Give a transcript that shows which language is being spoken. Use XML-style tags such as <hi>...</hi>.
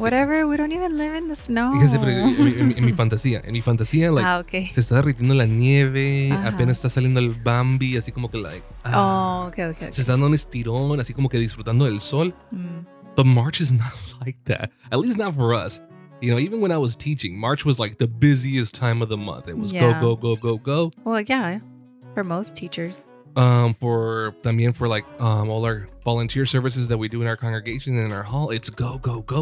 <en>Whatever, we don't even live in the snow.</en> <es>En mi fantasía, like, se está derritiendo la nieve, apenas está saliendo el Bambi, así como que, like,</es> <en>okay.</en> <es>Se está dando un estirón, así como que disfrutando del sol.</es> <en>But March is not like that, at least not for us. You know, even when I was teaching, March was like the busiest time of the month. It was go. Well, yeah, for most teachers. For all our volunteer services that we do in our congregation and in our hall, it's go, go, go.</en>